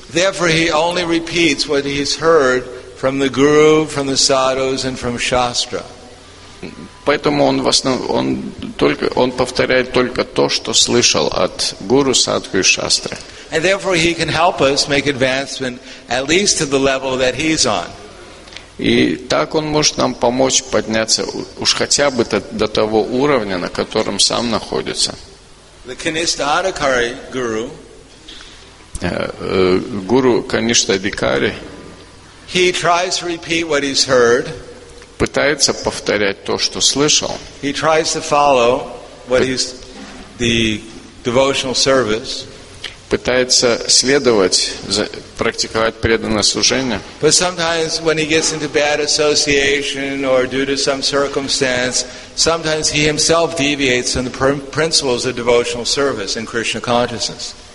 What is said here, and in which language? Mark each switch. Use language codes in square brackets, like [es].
[ru] Поэтому он повторяет только то, что слышал от гуру, садху и шастры. И [en] therefore he can help us make advancement at least to the level that he's on. [ru] И так он может нам помочь подняться уж хотя бы до того уровня, на котором сам находится. [en] The Kanishtha Adhikari guru, [ru] гуру Kanishtha Adhikari, [en] he tries to repeat what he's heard, [ru] пытается повторять то, что слышал. [en] He tries to follow what he's the devotional service. [ru] Пытается следовать, практиковать преданное служение. [en] But sometimes when he gets into bad association or due to some circumstance, sometimes he himself deviates from the principles of devotional service in Krishna consciousness.